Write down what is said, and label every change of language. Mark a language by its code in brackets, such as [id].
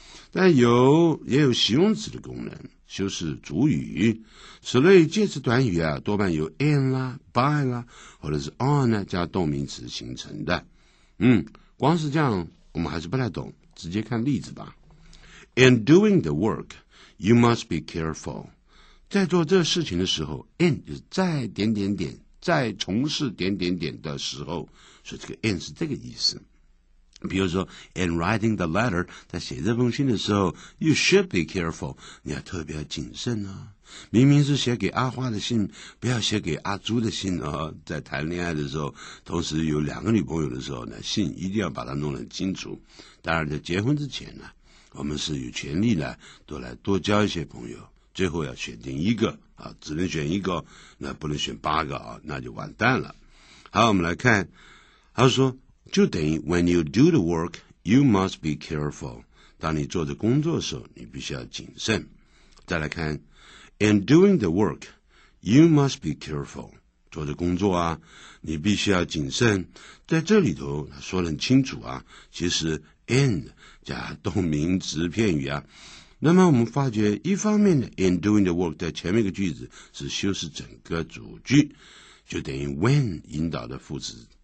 [zh] 但有也有形容词的功能，修饰主语。此类介词短语啊，多半由 in 啦、by 啦，或者是 on 呢加动名词形成的。嗯，光是这样，我们还是不太懂，直接看例子吧。 [en] In doing the work, you must be careful. [zh] 在做这事情的时候 ，in 就是在点点点，在从事点点点的时候，所以这个 in 是这个意思。比如说 ， [en] in writing the letter， [zh] 在写这封信的时候 ， [en] you should be careful， [zh] 你要特别谨慎哦。明明是写给阿花的信，不要写给阿朱的信哦。在谈恋爱的时候，同时有两个女朋友的时候呢，信一定要把它弄得清楚。当然，在结婚之前呢，我们是有权利呢，多来多交一些朋友。最后要选定一个啊，只能选一个，那不能选八个啊，那就完蛋了。好，我们来看，他说。就等于 [en] when you do the work, you must be careful. [zh] 当你做着工作的时候，你必须要谨慎。再来看 [en] in doing the work, you must be careful. [zh] 做着工作啊，你必须要谨慎。在这里头说得很清楚啊，其实 in 加动名词片语啊。那么我们发觉一方面的 [en] in doing the work [zh] 在前面一个句子是修饰整个主句，就等于 when 引导的副词。